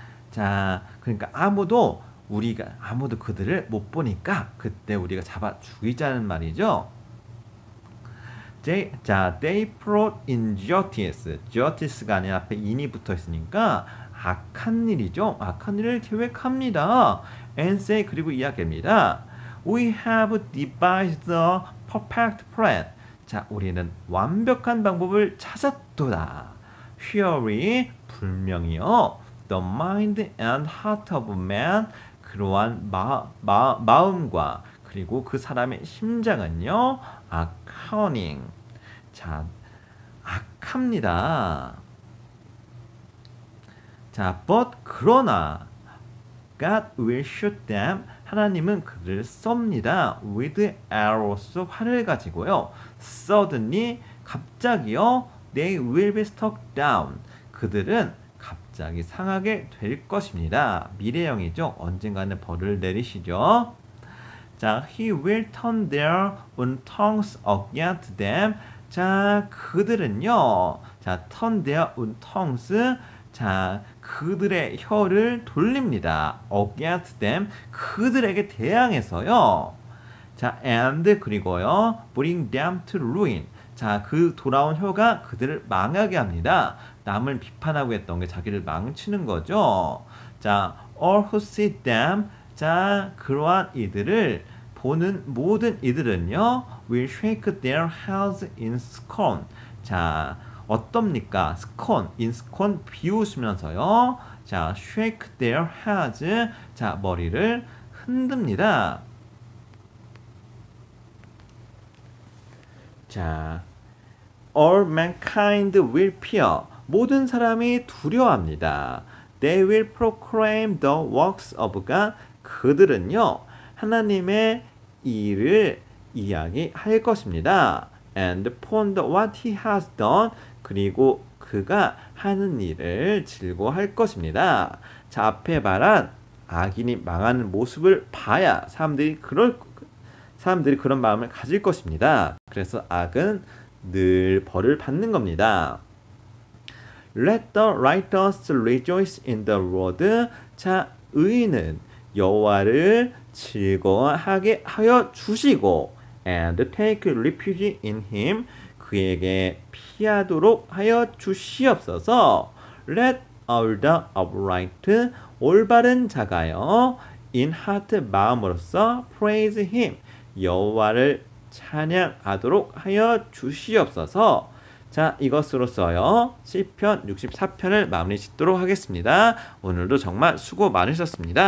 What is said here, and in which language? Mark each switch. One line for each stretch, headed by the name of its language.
Korean: 자, 그러니까 아무도 그들을 못 보니까 그때 우리가 잡아 죽이자는 말이죠.
English: They plot injustice.
Korean: Justice가 아니라 앞에 in이 붙어 있으니까 악한 일이죠. 악한 일을 계획합니다.
English: And say,
Korean: 그리고 이야기합니다.
English: We have devised a perfect plan.
Korean: 자, 우리는 완벽한 방법을 찾았도다.
English: Fury,
Korean: 불명이요.
English: The mind and heart of man.
Korean: 그러한 마음과 그리고 그 사람의 심장은요.
English: A cunning.
Korean: 자, 악합니다.
English: 자, but
Korean: 그러나
English: God will shoot them.
Korean: 하나님은 그들을 쏩니다.
English: With arrows,
Korean: 활을 가지고요.
English: Suddenly,
Korean: 갑자기요.
English: They will be struck down.
Korean: 그들은 갑자기 상하게 될 것입니다. 미래형이죠. 언젠가는 벌을 내리시죠.
English: 자, He will turn their own tongues against them.
Korean: 자, 그들은요.
English: 자, turn their own tongues.
Korean: 자, 그들의 혀를 돌립니다.
English: Against them.
Korean: 그들에게 대항해서요.
English: 자, and
Korean: 그리고요.
English: bring them to ruin.
Korean: 자, 그 돌아온 혀가 그들을 망하게 합니다. 남을 비판하고 했던 게 자기를 망치는 거죠.
English: 자, all who see them.
Korean: 자, 그러한 이들을 보는 모든 이들은요.
English: will shake their heads in scorn.
Korean: 자, 어떻습니까?
English: scorn, in scorn
Korean: 비웃으면서요.
English: 자, shake their heads. 자,
Korean: 머리를 흔듭니다.
English: 자, all mankind will fear.
Korean: 모든 사람이 두려워합니다.
English: They will proclaim the works of God.
Korean: 그들은요, 하나님의 일을 이야기할 것입니다.
English: And ponder what he has done.
Korean: 그리고 그가 하는 일을 즐거워할 것입니다. 자, 앞에 말한 악인이 망하는 모습을 봐야 사람들이 그런 마음을 가질 것입니다. 그래서 악은 늘 벌을 받는 겁니다.
English: Let the righteous rejoice in the Lord. 자,
Korean: 의인은 여호와를 즐거워하게 하여 주시고
English: and take refuge in him.
Korean: 그에게 피하도록 하여 주시옵소서.
English: Let all the upright,
Korean: 올바른 자가요,
English: in heart,
Korean: 마음으로써
English: praise him,
Korean: 여호와를 찬양하도록 하여 주시옵소서. 자, 이것으로써요 시편 64편을 마무리 짓도록 하겠습니다. 오늘도 정말 수고 많으셨습니다.